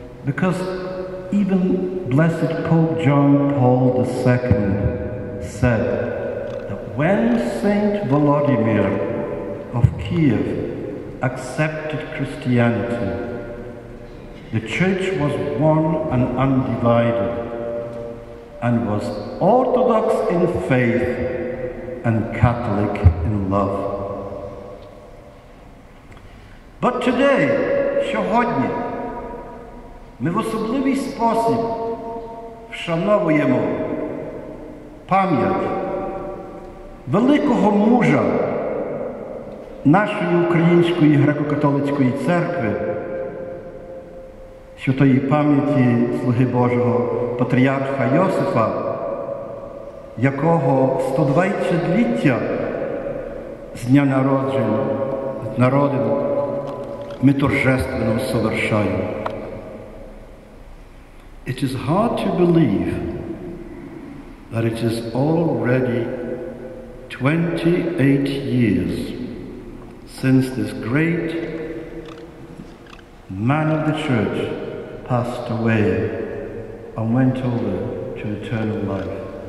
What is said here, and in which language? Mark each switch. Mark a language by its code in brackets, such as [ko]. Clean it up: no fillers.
[en] Because even blessed Pope John Paul II said that when Saint Volodymyr of Kiev accepted Christianity, the Church was one and undivided, and was Orthodox in faith and Catholic in love. But today, [uk] сьогодні, ми в особливий спосіб вшановуємо пам'ять великого мужа нашої Української греко-католицької церкви, святої пам'яті Слуги Божого Патріарха Йосифа, якого 120-ліття з дня народження ми торжественно совершаємо. [en] It is hard to believe that it is already 28 years since this great man of the Church passed away and went over to eternal life.